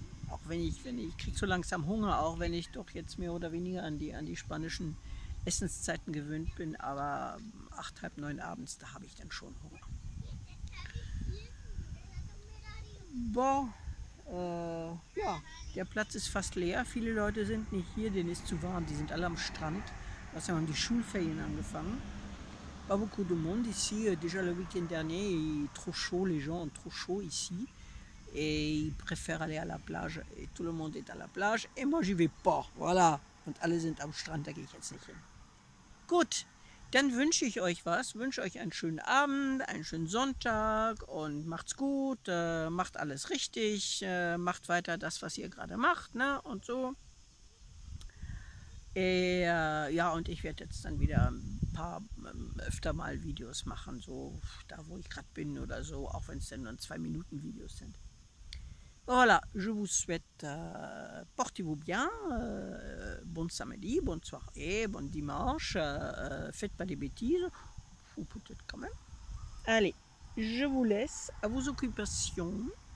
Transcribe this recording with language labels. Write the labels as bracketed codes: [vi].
[de] Auch wenn ich kriege so langsam Hunger, auch wenn ich doch jetzt mehr oder weniger an die spanischen Essenszeiten gewöhnt bin, aber 8:30, 9 abends, da habe ich dann schon Hunger. Boah, ja, der Platz ist fast leer, viele Leute sind nicht hier, denen ist zu warm, die sind alle am Strand, außerdem haben die Schulferien angefangen. [fr] Pas beaucoup de monde ici, déjà le week-end dernier, il est trop chaud, les gens ont trop chaud ici. Et ils préfèrent aller à la plage. Et tout le monde est à la plage. Et moi, j'y vais pas. Voilà. [de] Und alle sind am Strand. Da gehe ich jetzt nicht hin. Gut. Dann wünsche ich euch was. Wünsche euch einen schönen Abend, einen schönen Sonntag. Und macht's gut. Macht alles richtig. Macht weiter das, was ihr gerade macht. Ne? Und so. Ja, und ich werde jetzt dann wieder ein paar öfter mal Videos machen. So da, wo ich gerade bin oder so. Auch wenn es dann nur 2 Minuten Videos sind. [fr] Voilà, je vous souhaite, portez-vous bien, bon samedi, bonne soirée, bon dimanche, faites pas des bêtises, ou peut-être quand même. Allez, je vous laisse à vos occupations.